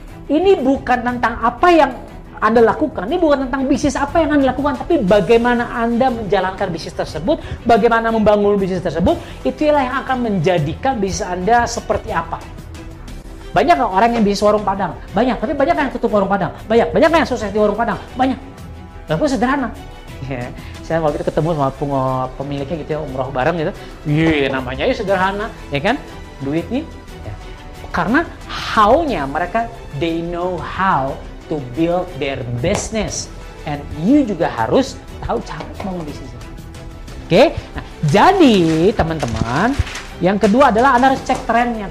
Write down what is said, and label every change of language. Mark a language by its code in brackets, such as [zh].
[id] Ini bukan tentang apa yang Anda lakukan, ini bukan tentang bisnis apa yang Anda lakukan, tapi bagaimana Anda menjalankan bisnis tersebut, bagaimana membangun bisnis tersebut, itulah yang akan menjadikan bisnis Anda seperti apa. Banyak gak orang yang bisnis warung Padang? Banyak, tapi banyak yang tutup warung Padang? Banyak, banyak yang sukses di warung Padang? Banyak. Tapi sederhana. Saya waktu itu ketemu sama pemiliknya gitu ya, umroh bareng gitu. Iya, namanya ya sederhana, ya kan? Duit nih. Ya. Karena how-nya mereka, [en] they know how to build their business. And you [id] juga harus tahu cara membangun bisnis. Oke? Nah, jadi teman-teman, yang kedua adalah Anda harus cek trennya.